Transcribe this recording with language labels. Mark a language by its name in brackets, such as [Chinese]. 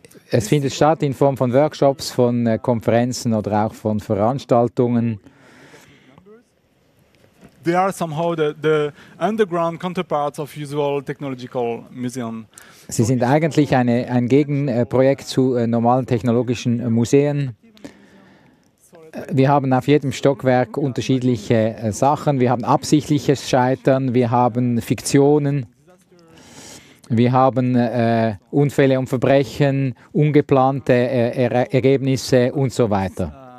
[German] Es findet statt in Form von Workshops, von Konferenzen oder auch von Veranstaltungen. [English] They are somehow the underground counterparts of usual technological museum. [German] Sie sind eigentlich ein Gegenprojekt zu normalen technologischen Museen. Wir haben auf jedem Stockwerk unterschiedliche Sachen. Wir haben absichtliches Scheitern, wir haben Fiktionen. Wir haben Unfälle und Verbrechen, ungeplante Ergebnisse und so weiter.